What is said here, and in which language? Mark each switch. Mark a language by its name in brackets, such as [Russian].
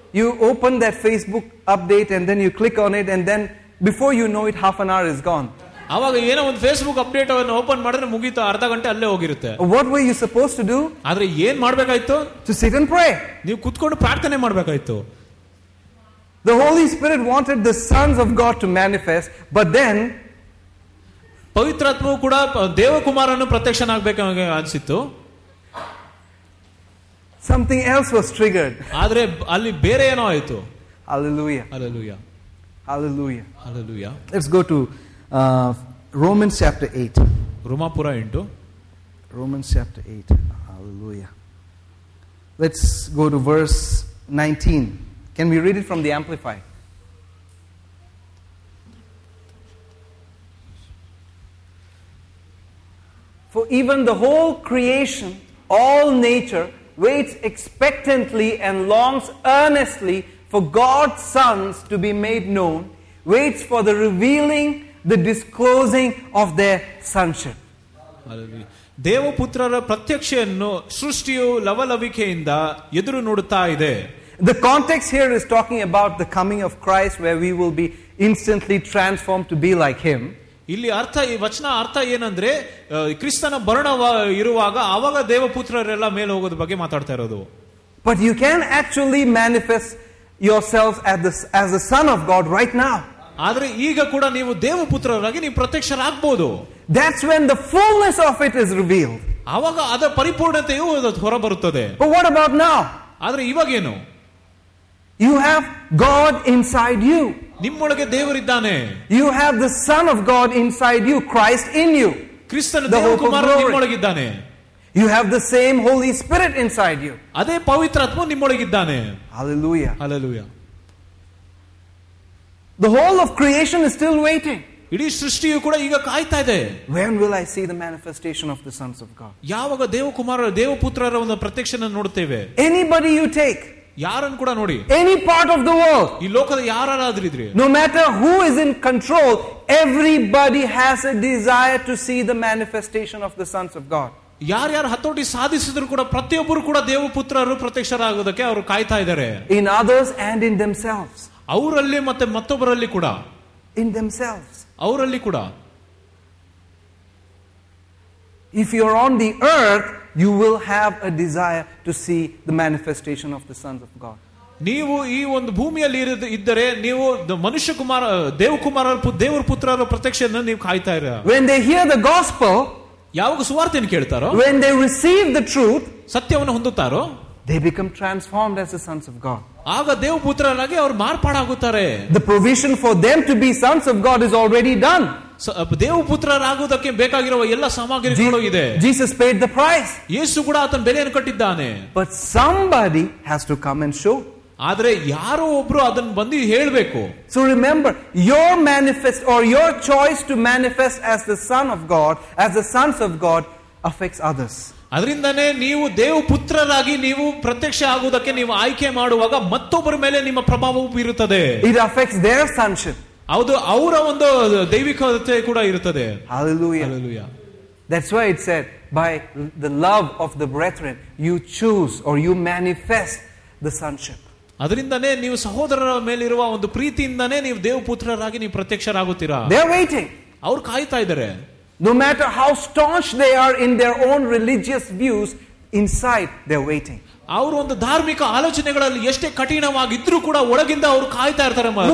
[English] You open that Facebook update and then you click on it and then before you know it half an hour is gone. [Kannada] ಅವಾಗ ಏನೋ ಒಂದು Facebook update ಅನ್ನು open ಮಾಡಿದ್ರೆ ಮುಗಿತು, ಅರ್ಧ ಗಂಟೆ ಅಲ್ಲೇ ಹೋಗಿರುತ್ತೆ. [English] What were you supposed to do? [Kannada] ಆದ್ರೆ ಏನ್ ಮಾಡಬೇಕಾಯ್ತು? [English] To sit and pray. [Kannada] ನೀವು ಕುತ್ಕೊಂಡು ಪ್ರಾರ್ಥನೆ ಮಾಡಬೇಕಾಯ್ತು. [English] The Holy Spirit wanted the sons of God to manifest, but then [Kannada] ಪವಿತ್ರಾತ್ಮವು ಕೂಡ ದೇವಕುಮಾರನ್ನು ಪ್ರತ್ಯಕ್ಷನಾಗಬೇಕು ಅನಿಸಿತ್ತು. [English] Something else was triggered. [Kannada] ಆದ್ರೆ ಅಲ್ಲಿ ಬೇರೆ ಏನೋ ಆಯಿತು. [English] Hallelujah. Hallelujah. Hallelujah. Hallelujah. Let's go to Romans chapter 8. [Kannada] Rumapura 8. [English] Romans chapter 8. Hallelujah. Let's go to verse 19. Can we read it from the Amplify? For even the whole creation, all nature, waits expectantly and longs earnestly for God's sons to be made known, waits for the revealing, the disclosing of their sonship. [Kannada] ದೇವಪುತ್ರರ ಪ್ರತ್ಯಕ್ಷೆಯನ್ನು ಸೃಷ್ಟಿಯು ಲವಲವಿಕೆಯಿಂದ ಎದುರು ನೋಡುತ್ತಾ ಇದೆ. [English] The context here is talking about the coming of Christ where we will be instantly transformed to be like him. [Kannada] ಇಲ್ಲಿ ಅರ್ಥ, ಈ ವಚನ ಅರ್ಥ ಏನಂದ್ರೆ, ಕ್ರಿಸ್ತನ ಬರಣ ಇರುವಾಗ ಅವಾಗ ದೇವಪುತ್ರರೆಲ್ಲ ಮೇಲೆ ಹೋಗೋದ್ರ ಬಗ್ಗೆ ಮಾತಾಡ್ತಾ ಇರೋದು. [English] But you can actually manifest yourself as the son of God right now. [Kannada] ಆದ್ರೆ ಈಗ ಕೂಡ ನೀವು ದೇವಪುತ್ರರಾಗಿ ನೀವು ಪ್ರತ್ಯಕ್ಷರಾಗಬಹುದು. [English] That's when the fullness of it is revealed. [Kannada] ಅವಾಗ ಅದರ ಪರಿಪೂರ್ಣತೆಯು ಹೊರಬರುತ್ತದೆ. [English] But what about now? [Kannada] ಆದ್ರೆ ಇವಾಗ ಏನು? [English] You have God inside you. [Kannada] ನಿಮ್ಮೊಳಗೆ ದೇವರಿದ್ದಾನೆ. [English] You have the Son of God inside you, Christ in you. [Kannada] ಕ್ರಿಸ್ತನ ದೇವಕುಮಾರ ನಿಮ್ಮೊಳಗಿದ್ದಾನೆ. [English] You have the same Holy Spirit inside you. [Kannada] ಅದೇ ಪವಿತ್ರಾತ್ಮ ನಿಮ್ಮೊಳಗಿದ್ದಾನೆ. [English] Hallelujah. Hallelujah. The whole of creation is still waiting. [Kannada] ಇಡೀ ಸೃಷ್ಟಿಯು ಕೂಡ ಈಗ ಕಾಯ್ತಾ ಇದೆ. [English] When will I see the manifestation of the sons of God? [Kannada] ಯಾವಾಗ ದೇವಕುಮಾರ ದೇವಪುತ್ರರ ಒಂದು ಪ್ರತ್ಯಕ್ಷನ ನೋಡುತ್ತೇವೆ? [English] Anybody you take, [Kannada] ಯಾರನ್ನು ಕೂಡ ನೋಡಿ, [English] any part of the world, [Kannada] ಈ ಲೋಕದ ಯಾರಾದ್ರೂ ಇದ್ರೆ, [English] No matter who is in control, everybody has a desire to see the manifestation of the sons of God. [Kannada] ಯಾರ್ಯಾರು ಹತೋಟಿ ಸಾಧಿಸಿದ್ರು ಕೂಡ ಪ್ರತಿಯೊಬ್ಬರು ಕೂಡ ದೇವಪುತ್ರರು ಪ್ರತ್ಯಕ್ಷರಾಗುವುದಕ್ಕೆ ಅವರು ಕಾಯ್ತಾ ಇದ್ದಾರೆ. [English] in others and in themselves, [Kannada] ಅವರಲ್ಲಿ ಮತ್ತೆ ಮತ್ತೊಬ್ಬರಲ್ಲಿ ಕೂಡ, [English] in themselves, [Kannada] ಅವರಲ್ಲಿ ಕೂಡ. [English] If you are on the earth, you will have a desire to see the manifestation of the sons of God. [Kannada] ನೀವು ಈ ಒಂದು ಭೂಮಿಯಲ್ಲಿ ಇದ್ದರೆ ನೀವು ಮನುಷ್ಯ ಕುಮಾರ ದೇವಕುಮಾರ ದೇವರ ಪುತ್ರರ ಪ್ರತ್ಯಕ್ಷನ ನೀವು ಕಾಯ್ತಾ ಇರ. [English] When they hear the gospel, [Kannada] ಯಾವಾಗ ಸುವಾರ್ತೆಯನ್ನು ಕೇಳ್ತಾರೋ, [English] when they receive the truth, [Kannada] ಸತ್ಯವನ್ನು ಹೊಂದುತ್ತಾರೋ, [English] they become transformed as the sons of God. [Kannada] ಆಗ ದೇವಪುತ್ರರಾಗಿ ಅವರು ಮಾರ್ಪಾಡಾಗುತ್ತಾರೆ. [English] The provision for them to be sons of God is already done. [Kannada] ದೇವಪುತ್ರರಾಗುವುದಕ್ಕೆ ಬೇಕಾಗಿರುವ ಎಲ್ಲ ಸಾಮಗ್ರಿಗಳು ಇದೆ. [English] Jesus paid the price, [Kannada] ಯೇಸು ಕೂಡ ಆತನ ಬೆಲೆಯನ್ನು ಕಟ್ಟಿದ್ದಾನೆ. [English] but somebody has to come and show, [Kannada] ಆದ್ರೆ ಯಾರೋ ಒಬ್ರು ಅದನ್ನ ಬಂದು ಹೇಳಬೇಕು. [English] So remember, your manifest or your choice to manifest as the son of God, as the sons of God, affects others. [Kannada] ಅದರಿಂದನೇ ನೀವು ದೇವಪುತ್ರರಾಗಿ ನೀವು ಪ್ರತ್ಯಕ್ಷ ಆಗುವುದಕ್ಕೆ ನೀವು ಆಯ್ಕೆ ಮಾಡುವಾಗ ಮತ್ತೊಬ್ಬರ ಮೇಲೆ ನಿಮ್ಮ ಪ್ರಭಾವ ಬೀರುತ್ತದೆ. [English] It affects their sonship. [Kannada] ಹೌದು, ಅವರ ಒಂದು ದೈವಿಕತೆ ಕೂಡ ಇರುತ್ತದೆ. [English] Hallelujah. Hallelujah. That's why it said, by the love of the brethren, you choose or you manifest the sonship. [Kannada] ಅದರಿಂದನೇ ನೀವು ಸಹೋದರರ ಮೇಲಿರುವ ಒಂದು ಪ್ರೀತಿಯಿಂದನೇ ನೀವು ದೇವಪುತ್ರರಾಗಿ ನೀವು ಪ್ರತ್ಯಕ್ಷರಾಗುತ್ತೀರಾ. [English] They are waiting. [Kannada] ಅವರು ಕಾಯ್ತಾ ಇದ್ದಾರೆ. [English] No matter how staunch they are in their own religious views, inside they are waiting. [Kannada] ಅವರು ಒಂದು ಧಾರ್ಮಿಕ ಆಲೋಚನೆಗಳಲ್ಲಿ ಎಷ್ಟೇ ಕಠಿಣವಾಗಿದ್ರೂ ಕೂಡ ಒಳಗಿಂದ ಅವರು ಕಾಯ್ತಾ ಇರ್ತಾರೆ.